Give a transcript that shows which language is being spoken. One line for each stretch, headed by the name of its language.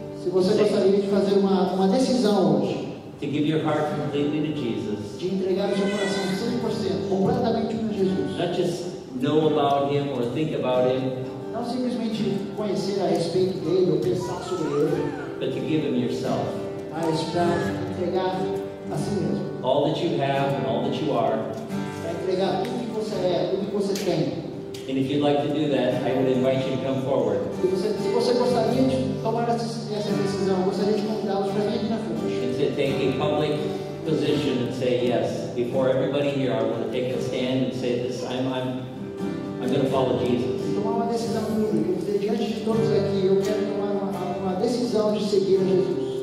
Portuguese: se você gostaria de fazer uma decisão hoje,
English: to give your heart completely to Jesus,
Portuguese: de entregar o seu coração 100%, completamente para Jesus,
English: not just know about Him or think about Him,
Portuguese: não simplesmente conhecer a respeito dele ou pensar sobre ele,
English: but to give Him yourself.
Portuguese: Mas para entregar a si mesmo.
English: All that you have and all that you are.
Portuguese: Para entregar tudo que você é, tudo que você tem.
English: And if you'd like to do that, I would invite you to come forward.
Portuguese: Se você gostaria de tomar essa decisão, gostaria de convidá-los para vir aqui na frente.
English: To take a public position and say yes. Before everybody here, I want to take a stand and say this. I'm going to follow Jesus.
Portuguese: Tomar uma decisão pública. Diante de todos aqui, eu quero tomar uma decisão de seguir Jesus.